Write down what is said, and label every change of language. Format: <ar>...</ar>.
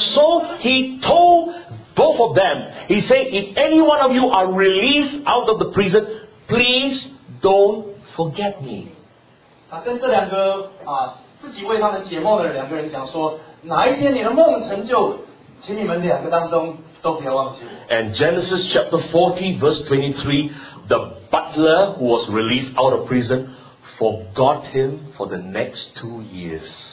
<en>And so he told both of them, he said, if any one of you are released out of the prison, please don't forget me.</en> <zh>他跟这两个自己为他们解梦的两个人讲说，哪一天你的梦成就，请你们两个当中都不要忘记。</zh> <en>And Genesis chapter 40 verse 23, the butler who was released out of prison forgot him for the next 2 years.</en>